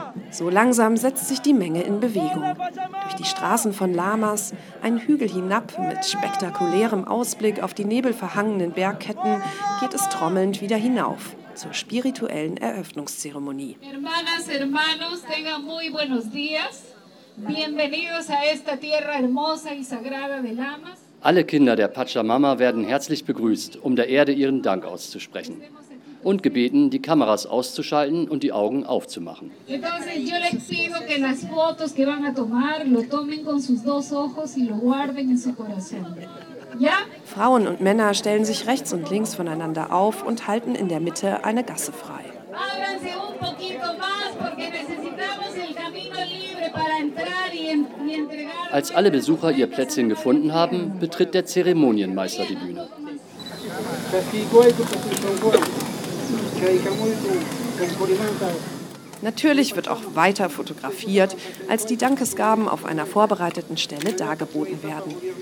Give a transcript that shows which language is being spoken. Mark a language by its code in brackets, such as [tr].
[de] So langsam setzt sich die Menge in Bewegung. Durch die Straßen von Lamas, einen Hügel hinab mit spektakulärem Ausblick auf die nebelverhangenen Bergketten, geht es trommelnd wieder hinauf zur spirituellen Eröffnungszeremonie. [es] Hermanas, hermanos, tengan muy buenos días. Bienvenidos a esta tierra hermosa y sagrada de Lamas. [de] Alle Kinder der Pachamama werden herzlich begrüßt, um der Erde ihren Dank auszusprechen. und gebeten, die Kameras auszuschalten und die Augen aufzumachen. [es] Entonces, yo les pido que las fotos que van a tomar lo tomen con sus dos ojos y lo guarden en su corazón. [de] Ja? Frauen und Männer stellen sich rechts und links voneinander auf und halten in der Mitte eine Gasse frei. [es] Ábranse un poquito más porque necesitamos el camino libre para entrar y entregar. [de] Als alle Besucher ihr Plätzchen gefunden haben, betritt der Zeremonienmeister die Bühne. Natürlich wird auch weiter fotografiert, als die Dankesgaben auf einer vorbereiteten Stelle dargeboten werden.